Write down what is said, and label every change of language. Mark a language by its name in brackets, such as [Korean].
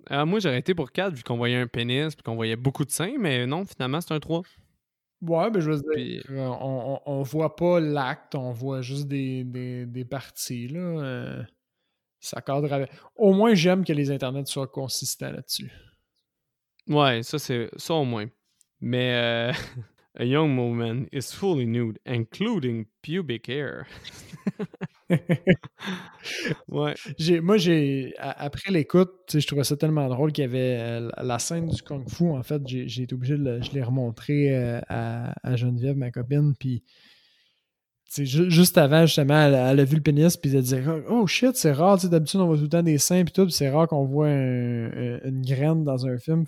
[French] Moi, j'aurais été pour 4, vu qu'on voyait un pénis, puis qu'on voyait beaucoup de seins, mais non, finalement, c'est un 3. Ouais, ben je veux dire, puis... on voit pas l'acte, on voit juste des parties, là. Ça cadre avec... Au moins, j'aime que les internets soient consistants là-dessus. Ouais, ça, c'est... Ça, au moins. Mais... [English] A young woman is fully nude, including pubic hair. [French] Ouais. Moi, après l'écoute, tu sais, je trouvais ça tellement drôle qu'il y avait la scène du Kung Fu. En fait, j'ai été obligé de l'ai remontré à Geneviève, ma copine. Puis, tu sais, juste avant, justement, elle a vu le pénis. Puis, elle disait, oh shit, c'est rare. Tu sais, d'habitude, on voit tout le temps des seins. Puis, tout, puis c'est rare qu'on voit une graine dans un film.